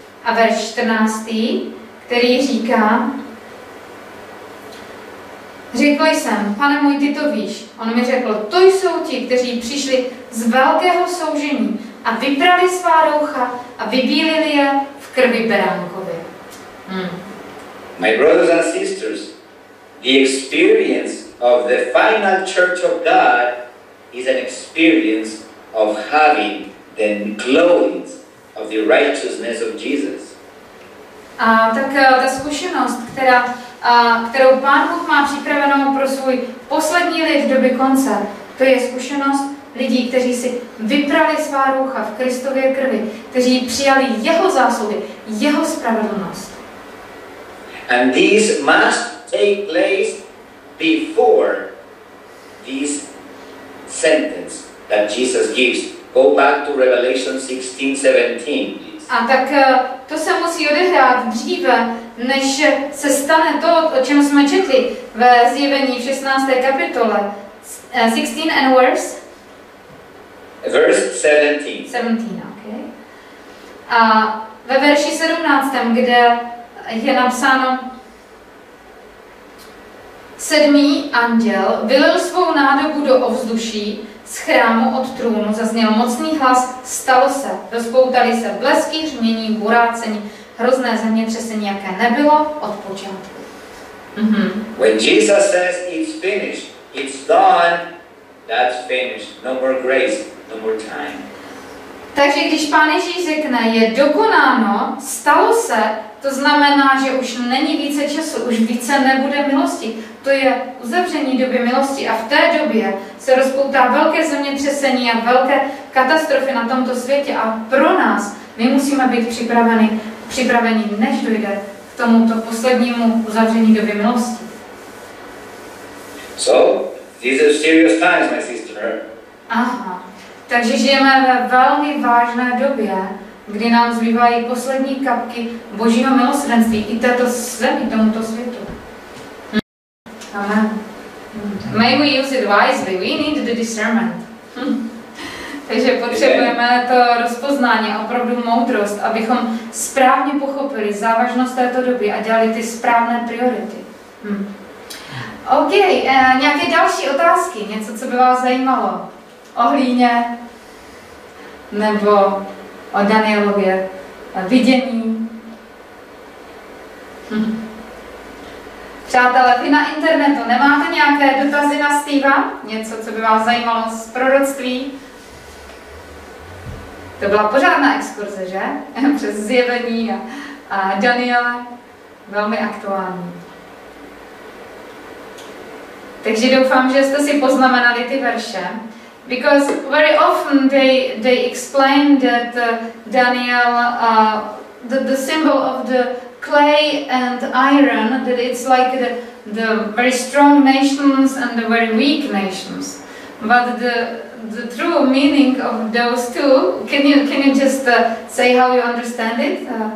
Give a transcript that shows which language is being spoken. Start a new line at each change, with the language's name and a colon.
Czech: A verš 14., který říká, řekl jsem, pane můj, ty to víš. On mi řekl, to jsou ti, kteří přišli z velkého soužení a vyprali svá roucha a vybílili je v krvi Beránkově.
English: My brothers and sisters, the experience of the final church of God is an experience of having the clothes of the righteousness of Jesus.
Czech: Tak ta zkušenost, kterou Pán Bůh má připravenou pro svůj poslední lid v době konce, to je zkušenost lidí, kteří si vyprali svá rucha v Kristově krvi, kteří přijali jeho zásluhy, jeho spravedlnost.
English: And this must take place before this sentence that Jesus gives. Go back to Revelation 16:17.
Czech: A tak to se musí odehrát dříve, než se stane to, o čem jsme četli ve Zjevení 16. kapitole.
English: 16 and verse? Verse 17.
Czech: A ve verši 17, kde je napsáno, sedmý anděl vylil svou nádobu do ovzduší, z chrámu od trůnu zazněl mocný hlas, stalo se, rozpoutali se blesky, řmění, burácení, hrozné zemětřesení, jaké nebylo od počátku. Mm-hmm.
English: When Jesus says it's finished, it's done, that's finished, no more grace, no more time.
Czech: Takže když Pán Ježíš řekne, je dokonáno, stalo se, to znamená, že už není více času, už více nebude milosti. To je uzavření doby milosti a v té době se rozpoutá velké zemětřesení a velké katastrofy na tomto světě a pro nás my musíme být připraveni, než dojde k tomuto poslednímu uzavření doby milosti.
English: So, these are serious times, my sister. Aha.
Czech: Takže žijeme ve velmi vážné době, kdy nám zbývají poslední kapky Božího milosrdenství i této zemi, tomuto světu.
English: Amen. May we use it wisely. We need the discernment.
Czech: Takže potřebujeme to rozpoznání a opravdu moudrost, abychom správně pochopili závažnost této doby a dělali ty správné priority. OK, nějaké další otázky? Něco, co by vás zajímalo? O hlíně? Nebo o Danielově vidění? Přátelé, vy na internetu nemáte nějaké dotazy na Steva? Něco, co by vás zajímalo z proroctví? To byla pořádná exkurze, že? Přes zjevení a Daniela. Velmi aktuální. Takže doufám, že jste si poznamenali ty verše.
English: Because very often they explain that Daniel, the symbol of the clay and iron, that it's like the very strong nations and the very weak nations. But the true meaning of those two, can you just say how you understand it?